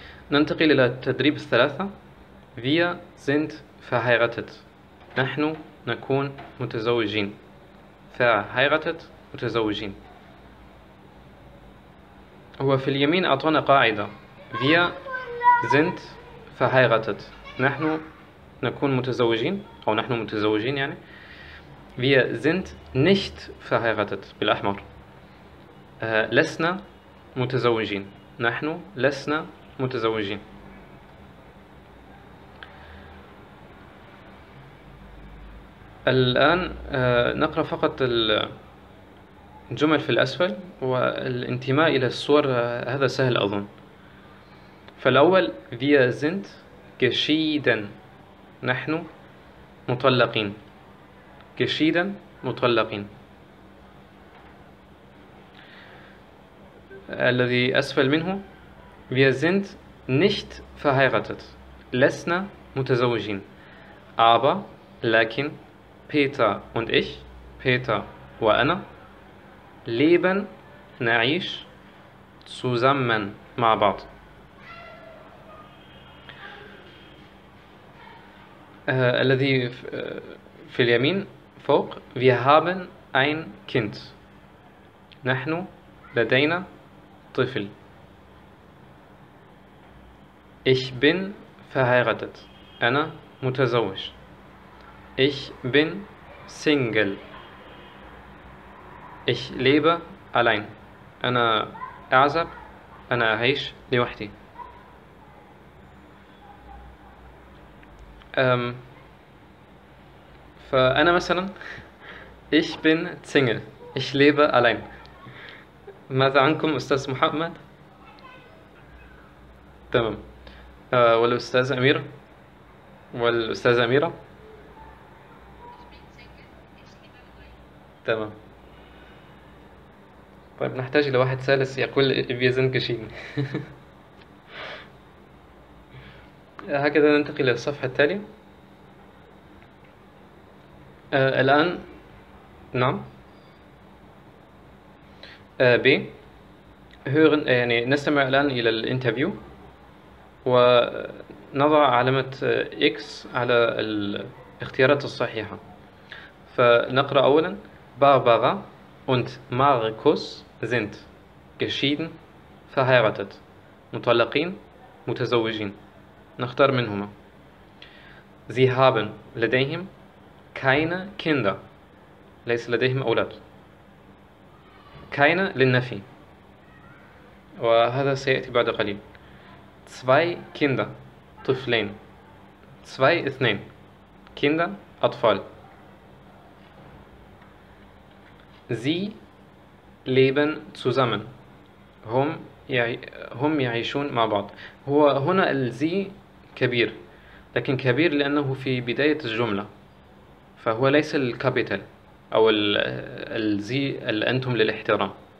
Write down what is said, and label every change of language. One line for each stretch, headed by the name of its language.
Arabic: ننتقل إلى التدريب الثلاثة:
German: Wir sind verheiratet،
Arabic: نحن نكون متزوجين. verheiratet، متزوجين. هو في اليمين أعطانا قاعدة:
German: Wir sind verheiratet،
Arabic: نحن نكون متزوجين، أو نحن متزوجين يعني.
German: Wir sind nicht verheiratet،
Arabic: بالأحمر. لسنا متزوجين، نحن لسنا متزوجين. الآن نقرأ فقط الجمل في الأسفل، والانتماء إلى الصور هذا سهل أظن. فالأول:
German: Wir sind geschieden،
Arabic: نحن مطلقين. geschieden، مطلقين. الذي أسفل منه:
German: Wir sind nicht verheiratet،
Arabic: لسنا متزوجين. aber، لكن.
German: Peter und ich، Peter
Arabic: وأنا. leben، نعيش. zusammen، مع بعض. الذي في اليمين فوق:
German: Wir haben ein Kind،
Arabic: نحن لدينا طفل.
German: Ich bin verheiratet،
Arabic: أنا متزوج.
German: Ich bin single، Ich lebe allein،
Arabic: أنا أعزب، أنا أعيش لوحدي. فأنا مثلا
German: Ich bin single، Ich lebe allein.
Arabic: ماذا عنكم أستاذ محمد؟ تمام. والأستاذ أمير؟ والأستاذ أميرة؟ تمام. طيب نحتاج إلى واحد ثالث يقول
German: Wir sind geschieden.
Arabic: هكذا ننتقل إلى الصفحة التالية. الآن نعم. ب هورن يعني نستمع الآن إلى الانترفيو، ونضع علامة إكس على الاختيارات الصحيحة.
German: فنقرأ أولا: Barbara und Markus sind geschieden، verheiratet،
Arabic: مطلقين، متزوجين. نختار منهما.
German: Sie haben،
Arabic: لديهم.
German: keine Kinder،
Arabic: ليس لديهم أولاد. keine للنفي، وهذا سيأتي بعد قليل.
German: zwei Kinder،
Arabic: طفلين. zwei اثنين، Kinder أطفال.
German: sie leben zusammen،
Arabic: هم يعيشون مع بعض. هو هنا الزي كبير، لكن كبير لأنه في بداية الجملة، فهو ليس الكابيتال أو الزي الأنتم للاحترام.